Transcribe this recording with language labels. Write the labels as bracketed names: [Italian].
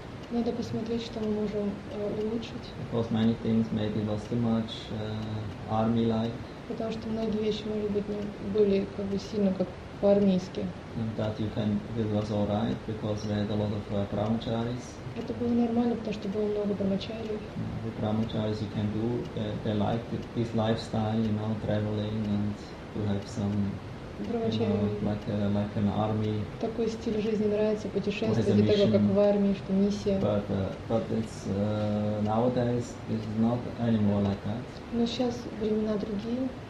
[Russian] Надо посмотреть, что мы можем улучшить. [English] Because many things maybe was too much army-like. [Russian] Потому что многие вещи, может быть, не были как бы сильно как по-армейски. [English] And that you can, it was all right, because we had a lot of brahmacharis. [Russian] Это было нормально, потому что было много брамачарий. [English] The brahmacharis you can do, they like this lifestyle, you know, traveling and to have some, like an army. [Russian] Такой стиль жизни нравится, путешествовать, для того, как в армии, что миссия. [English] But it's, nowadays it's not anymore like that. [Russian] Но сейчас времена другие.